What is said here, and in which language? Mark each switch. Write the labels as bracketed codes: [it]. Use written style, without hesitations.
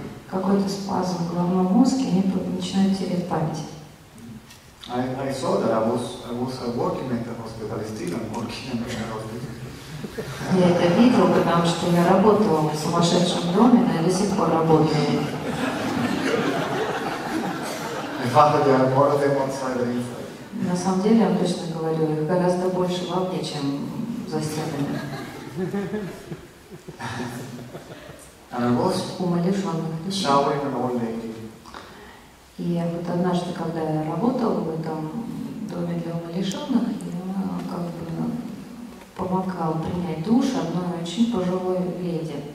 [ru] Какой-то спазм в головном мозге, они начинают терять память. [en] I saw that I was working at the hospital. I'm still working at the hospital. [ru] Я это видел, потому что я работал в сумасшедшем доме, но я до сих пор работаю. [en] I thought that there are more of them outside than inside. [ru] На самом деле, я вам точно говорю, их гораздо больше во мне, чем за стенами. [en] And I was showering an old lady. [ru] И вот однажды, когда я работала в этом доме для умалишенных, я как бы помогала принять душ одной очень пожилой леди.